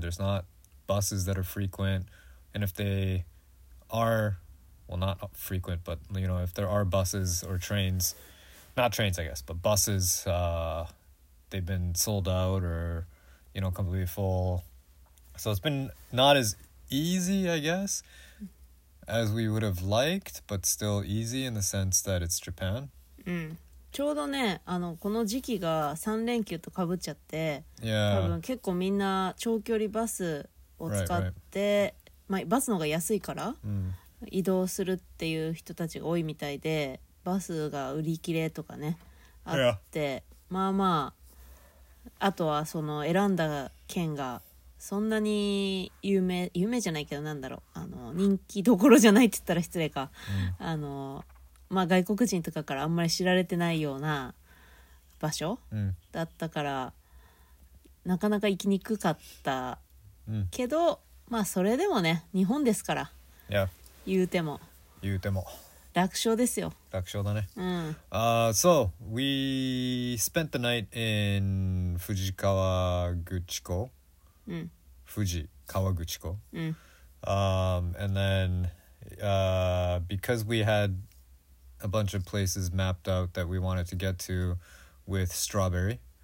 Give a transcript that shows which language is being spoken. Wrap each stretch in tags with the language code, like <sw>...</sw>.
<en>There's notbuses that are frequent, and if they are, well, not frequent, but you know, if there are buses or trains, not trains I guess, but buses, they've been sold out or you know, completely full, so it's been not as easy I guess as we would have liked, but still easy in the sense that it's Japan. Mm.</en> <ja>ちょうどね、あのこの時期が3連休とかぶっちゃって、</ja> <en>yeah.</en> <ja>多分結構みんな長距離バスを使って、</ja> <en>right, right.</en> <ja>まあ、バスの方が安いから、うん、移動するっていう人たちが多いみたいで、バスが売り切れとかねあって、</ja> <en>yeah.</en> <ja>まあまああとはその選んだ県がそんなに有名じゃないけど、なんだろう、あの人気どころじゃないって言ったら失礼か、うん、あのまあ、外国人とかからあんまり知られてないような場所だったから、うん、なかなか行きにくかったけど、うん、まあそれでもね、日本ですから、</ja> <en>yeah.</en> <ja>言うても楽勝ですよ。楽勝だね。うん、</ja> <en>So we spent the night in 富士河口湖、</en> <ja>うん、富士河口湖、うん、</ja> <en>And then because we hadA bunch of places mapped out that we wanted to get to with Strawberry.</en>